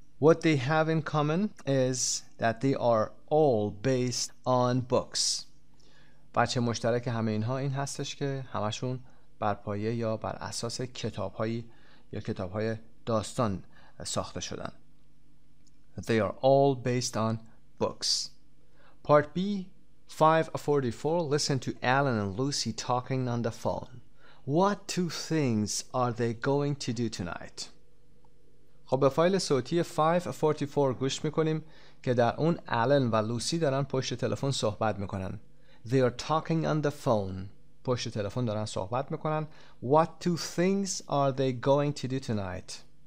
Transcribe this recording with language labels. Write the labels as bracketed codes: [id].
[en] What they have in common is that they are all based on books. [fa] بچه مشترک همه اینها این هستش که همشون بر پایه یا بر اساس کتابهای یا کتابهای داستان ساخته شدن. [en] They are all based on books. Part B, 544. Listen to Alan and Lucy talking on the phone. What two things are they going to do tonight? [fa] خب به فایل صوتی 544 گوش میکنیم که در اون آلن و لوسی دارن پشت تلفن صحبت میکنن. [en] They are talking on the phone. [fa] پشت تلفن دارن صحبت میکنن. [en] What two things are they going to do tonight?